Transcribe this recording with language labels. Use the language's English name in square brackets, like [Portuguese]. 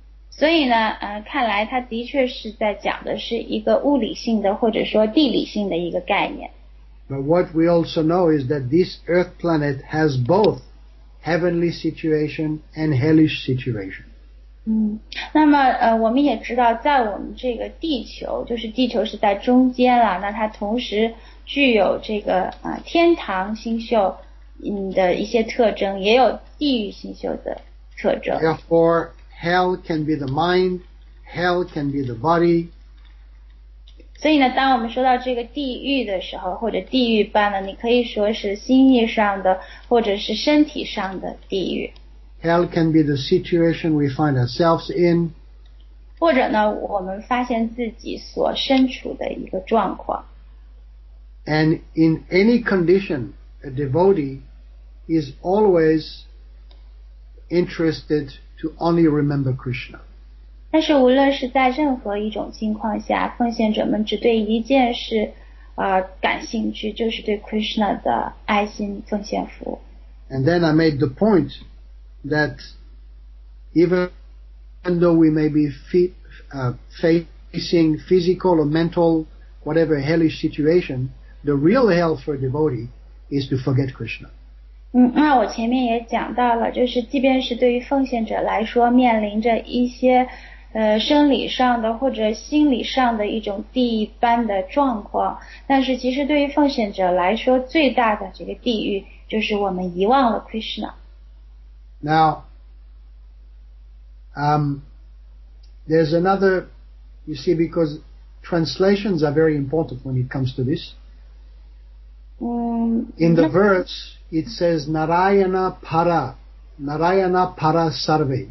[Chinese] 所以呢看来他的确是在讲的是一个物理性的或者说地理性的一个概念。 [English] But what we also know is that this earth planet has both heavenly situation and hellish situation. [Chinese] 那么我们也知道在我们这个地球，就是地球是在中间了，那它同时具有这个天堂星宿的一些特征，也有地狱星宿的特征。 [English] Therefore,Hell can be the mind, hell can be the body. [Chinese] 所以呢，当我们说到这个地狱的时候，或者地狱般呢，你可以说是心意上的，或者是身体上的地狱。 [English] Hell can be the situation we find ourselves in. [Chinese] 或者呢，我们发现自己所身处的一个状况。 [English] And in any condition, a devotee is always interested. To only remember Krishna. [Chinese] 但是无论是在任何一种情况下，奉献者们只对一件事感兴趣，就是对 Krishna 的爱心奉献服务。 [English] And then I made the point that even though we may be facing physical or mental, whatever hellish situation, the real hell for a devotee is to forget Krishna. [Chinese] 那我前面也讲到了，就是即便是对于奉献者来说，面临着一些生理上的或者心理上的一种地狱般的状况，但是其实对于奉献者来说，最大的这个地狱就是我们遗忘了 Krishna。 [English] Now, there's another, you see, because translations are very important when it comes to this. In the verse, it says Narayana para sarve.